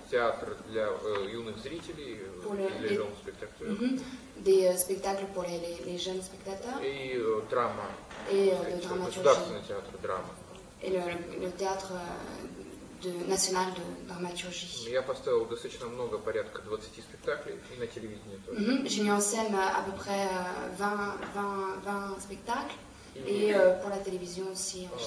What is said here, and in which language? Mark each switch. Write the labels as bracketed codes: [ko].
[ru] Театр для юных зрителей, для [fr] jeunes spectateurs. Des spectacles pour les jeunes spectateurs. [ru] И драма. [fr] Et le dramaturgie. [ru] Государственный театр драма. [fr] Et le théâtre national de dramaturgie. [ru] Я поставил достаточно много, порядка 20 спектаклей, и на телевидении тоже. [fr] J'ai mis en scène à peu près 20 spectacles. Et pour la télévision aussi,